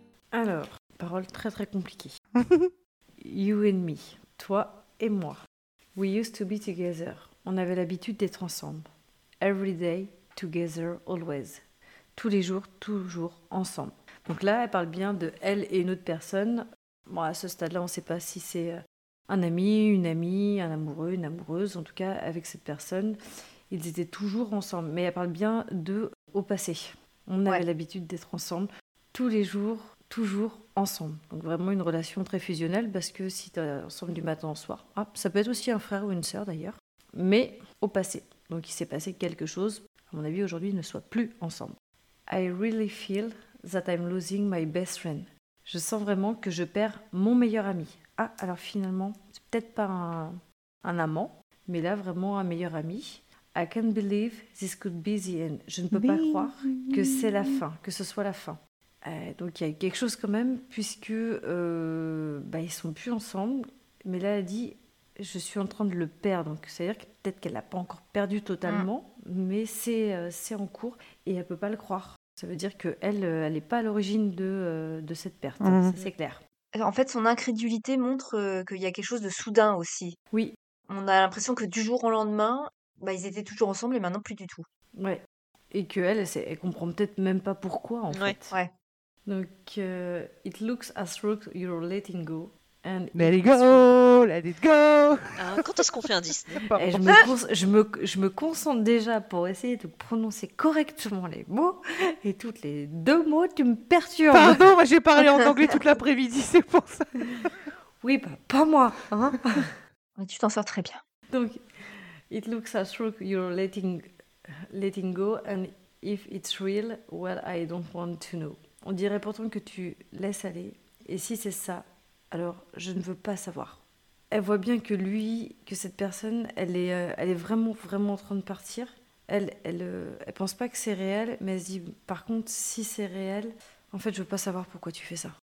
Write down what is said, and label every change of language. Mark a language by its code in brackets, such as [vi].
[fr] Alors, paroles très très compliquées. [en] You and me, [fr] toi et moi. [en] We used to be together. [fr] On avait l'habitude d'être ensemble. [en] Every day, together, always. [fr] Tous les jours, toujours, ensemble. Donc là, elle parle bien de elle et une autre personne. Bon, à ce stade-là, on ne sait pas si c'est un ami, une amie, un amoureux, une amoureuse. En tout cas, avec cette personne, ils étaient toujours ensemble. Mais elle parle bien d'eux au passé. On avait l'habitude d'être ensemble. Tous les jours, toujours ensemble. Donc vraiment une relation très fusionnelle, parce que si t'es ensemble du matin au soir, ah, ça peut être aussi un frère ou une sœur d'ailleurs, mais au passé. Donc il s'est passé quelque chose, à mon avis aujourd'hui ils ne soient plus ensemble. [en] I really feel that I'm losing my best friend. [fr] Je sens vraiment que je perds mon meilleur ami. Ah, alors finalement, c'est peut-être pas un amant, mais là vraiment un meilleur ami. [en] I can't believe this could be the end. [fr] Je ne peux pas croire que c'est la fin, que ce soit la fin. Donc il y a quelque chose quand même, puisque bah, ils sont plus ensemble, mais là elle dit je suis en train de le perdre, donc c'est-à-dire que peut-être qu'elle l'a pas encore perdu totalement, mais c'est en cours et elle peut pas le croire. Ça veut dire que elle n'est pas à l'origine de cette perte, ça c'est clair. En fait, son incrédulité montre qu'il y a quelque chose de soudain aussi. Oui. On a l'impression que du jour au lendemain, bah, ils étaient toujours ensemble et maintenant plus du tout. Ouais. Et que elle comprend peut-être même pas pourquoi en fait. Ouais. [en] Donc, it looks as though you're letting go. And let it go, let it go. [fr] Quand est-ce qu'on fait un Disney? Et je me concentre déjà pour essayer de prononcer correctement les mots. Et toutes les deux mots, tu me perturbes. Pardon, moi j'ai parlé en anglais toute l'après-midi, c'est pour ça. Oui, bah, pas moi. Hein. Mais tu t'en sors très bien. [en] Donc, it looks as though you're letting go. And if it's real, well, I don't want to know. [fr] On dirait pourtant que tu laisses aller. Et si c'est ça, alors je ne veux pas savoir. Elle voit bien que lui, que cette personne, elle est vraiment, vraiment en train de partir. Elle pense pas que c'est réel, mais elle se dit, par contre, si c'est réel, en fait, je veux pas savoir pourquoi tu fais ça.